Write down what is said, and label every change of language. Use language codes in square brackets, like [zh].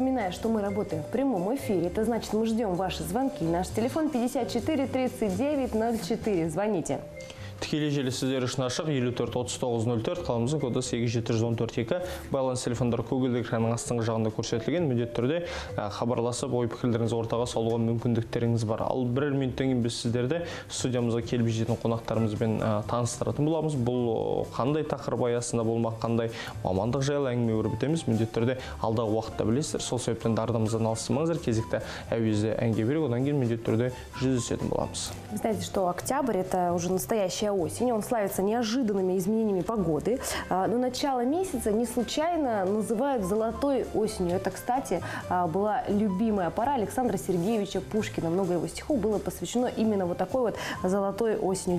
[ru] Что мы работаем в прямом эфире. Это значит, мы ждем ваши звонки. Наш телефон 54-39-04. Звоните. [kk] Тікелей желісіздер үшін ашық 54-39-04. Қаламызың коды 8-714-2. Байланыс телефондары көгілді экранның астыңғы жағында көрсетілген. Міндетті түрде хабарласып, ой пікірлеріңіз ортаға салуға мүмкіндіктеріңіз бар. Ал бірер минуттан кейін біз сіздерді студиямызға келіп жететін қонақтарымызбен таныстыратын боламыз. Бұл қандай тақырып аясында болмақ, қандай мамандық жайлы әңгіме өрбітеміз, міндетті түрде алдағы уақытта білесіздер. Сол себептен дардымыздан алыстамаңыздар. Кезекті әуезді әңге берек, одан кейін міндетті түрде жүздесетін боламыз. [ru] Вы знаете, что октябрь – это уже настоящая осень. Он славится неожиданными изменениями погоды. Но начало месяца не случайно называют золотой осенью. Это, кстати, была любимая пора Александра Сергеевича Пушкина. Много его стихов было посвящено именно вот такой вот золотой осенью.